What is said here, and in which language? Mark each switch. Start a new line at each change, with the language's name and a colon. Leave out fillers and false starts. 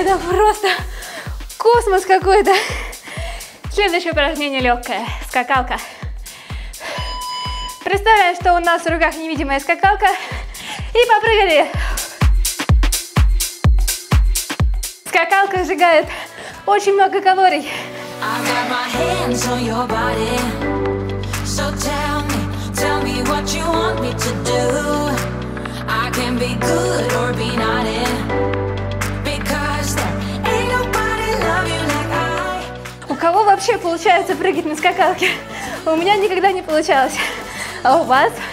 Russian: Это просто космос какой-то. Следующее упражнение легкое. Скакалка. Представляем, что у нас в руках невидимая скакалка. И попрыгали. Скакалка сжигает очень много калорий.
English: I got my hands on your body. So tell me what you want me to do. I can be good or be naughty. Because there ain't nobody love you like I.
Russian: У кого вообще получается прыгать на скакалке? У меня никогда не получалось. А у вас?